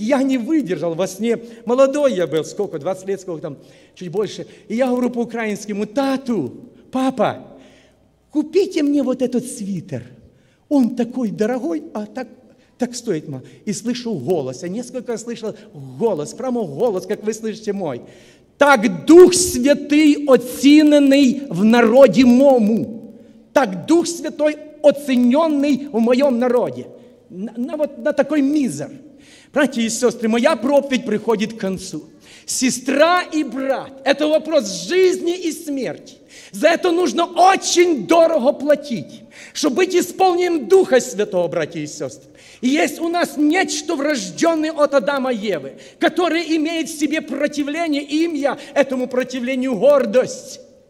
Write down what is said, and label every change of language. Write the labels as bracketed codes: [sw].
[ru] Я не выдержал во сне, молодой я был, сколько, 20 лет, сколько там, чуть больше. И я говорю по-украински, тату, папа, купите мне вот этот свитер, он такой дорогой, а так... Так стоит, мама. И слышу голос. Я несколько раз слышал голос, прямо голос, как вы слышите мой. [uk] Так Дух Святий оцінений в народі мому. Так Дух Святий оцінений в моєму народі. На такий мізер. [ru] Братья и сестры, моя проповедь приходит к концу. Сестра и брат, это вопрос жизни и смерти. За это нужно очень дорого платить, чтобы быть исполненным Духа Святого, братья и сестры. И есть у нас нечто врожденное от Адама и Евы, которое имеет в себе противление, имя этому противлению – гордость.